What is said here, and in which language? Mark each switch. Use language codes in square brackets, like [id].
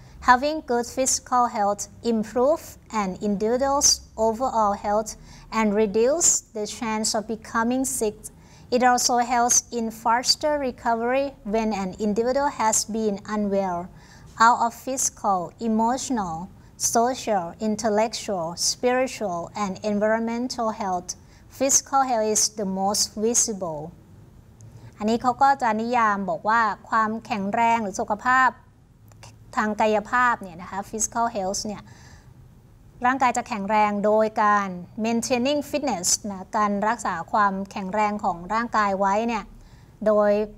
[en] having good physical health improve an individual's overall health and reduce the chance of becoming sickIt also helps in faster recovery when an individual has been unwell, out of physical, emotional, social, intellectual, spiritual, and environmental health. Physical health is the most visible. [th] อันนี้เขาก็จะนิยามบอกว่าความแข็งแรงหรือสุขภาพทางกายภาพเนี่ยนะคะ physical health เนี่ยร่างกายจะแข็งแรงโดยการ [en] maintaining fitness [th] นะการรักษาความแข็งแรงของร่างกายไว้เนี่ยโดย